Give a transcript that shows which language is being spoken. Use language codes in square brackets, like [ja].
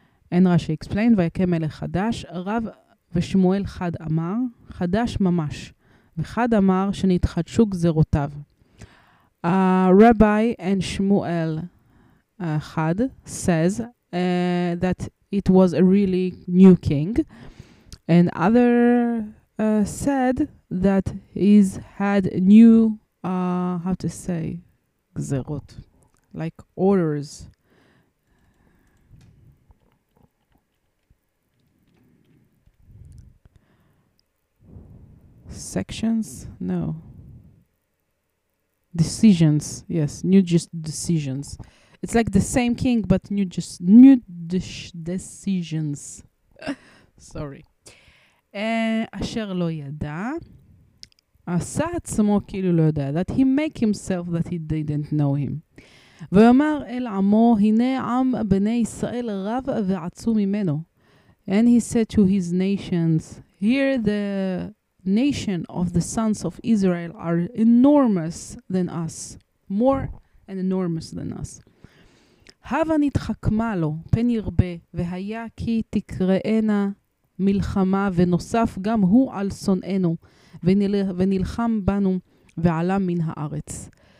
[en] And Rashi explained, [he] ויקם מלך חדש, רב ושמואל חד אמר, חדש ממש. ואחד אמר שנתחדשו גזרותיו. [en] Rabbi and Shmuel Chad says that it was a really new king, and other said that he's had new how to say gzerot, like orders. Sections? No. Decisions. Yes, new just decisions. It's like the same king, but new decisions. Sorry. [he] Asher lo yada. עשה עצמו כאילו לא יודע. [en] That he make himself that he didn't know him. [he] ואמר אל עמו, הנה עם בני ישראל רב ועצום ממנו. [en] And he said to his nations, hear the nation of the sons of Israel are enormous than us, more and enormous than us. [he] הבה נתחכמה לו פן ירבה, והיה כי תקראנה מלחמה, ונוסף גם הוא על שונאנו, ונלחם בנו ועלה מן הארץ.